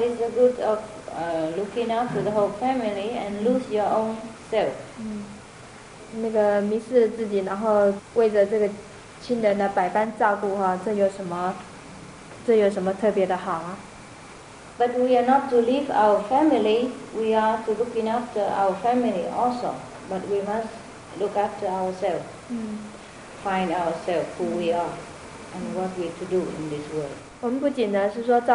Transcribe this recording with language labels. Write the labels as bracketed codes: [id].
[en] is the good of looking after the whole family and lose your own self? [zh] 那个迷失了自己，然后为着这个亲人的百般照顾哈，这有什么特别的好啊？ [en] But we are not to leave our family, we are to look after our family also. But we must look after ourselves, find ourselves who we are and what we to do in this world.